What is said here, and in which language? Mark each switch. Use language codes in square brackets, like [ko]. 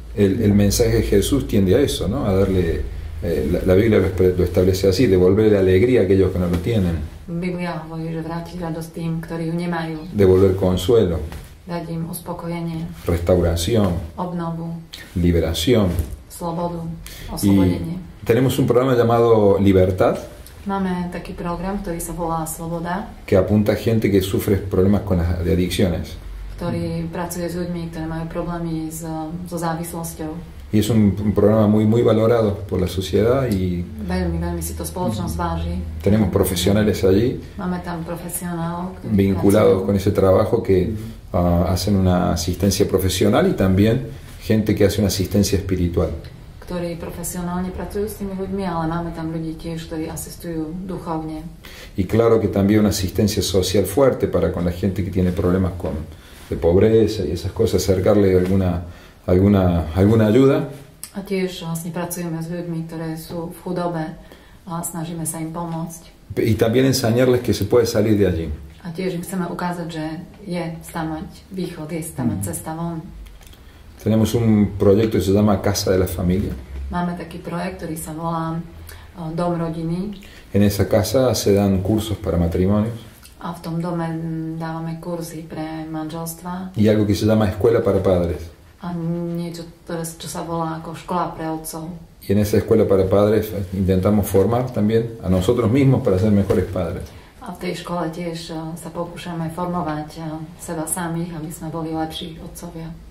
[es] El mensaje de Jesús tiende a eso, ¿no? A darle, la Biblia lo establece así, devolverle alegría a aquellos que no lo tienen. [sk] Biblia hovorí, že vrátiť radosť tým, ktorí ju nemajú. [es] Devolver consuelo. [sk] Dať im uspokojenie. [es] Restauración. [sk] Obnovu. [es] Liberación. [sk] Slobodu. Oslobodenie. [es] Y tenemos un programa llamado Libertad. [sk] Máme taký program, ktorý sa volá Sloboda. [es] Que apunta gente que sufre problemas con las adicciones. [sk] Ktorý pracuje s ľuďmi, ktorí majú problémy so závislosťou. [es] Y es un programa muy, muy valorado por la sociedad y... [sk] Veľmi, veľmi si to spoločnosť váži. [es] Tenemos profesionales allí. [sk] Máme tam profesionálov, ktorí [es] vinculados [sk] pracujú. [es] Con ese trabajo que hacen una asistencia profesional y también gente que hace una asistencia espiritual. [sk] Ktorí profesionálne pracujú s tými ľuďmi, ale máme tam ľudí tiež, ktorí asistujú duchovne. [es] Y claro que también una asistencia social fuerte para con la gente que tiene problemas con de pobreza y esas cosas, acercarle alguna ayuda. [sk] A tiež vlastne pracujeme s ľuďmi, ktoré sú v chudobe a snažíme sa im pomôcť. [es] Y también enseñarles que se puede salir de allí. [sk] A tiež im chceme ukázať, že je stamať východ, je stamať cesta von. [es] Tenemos un proyecto que se llama Casa de la Familia. [sk] Máme taký projekt, ktorý sa volá Dom rodiny. [es] En esa casa se dan cursos para matrimonios. [sk] A v tom dome dávame kurzy pre manželstva. [es] Y algo que se llama Escuela para Padres. [sk] A niečo, čo sa volá ako škola pre otcov. [es] Y en esa Escuela para Padres intentamos formar también a nosotros mismos para ser mejores padres. [sk] A v tej škole tiež sa pokúšame formovať seba samých, aby sme boli lepší otcovia.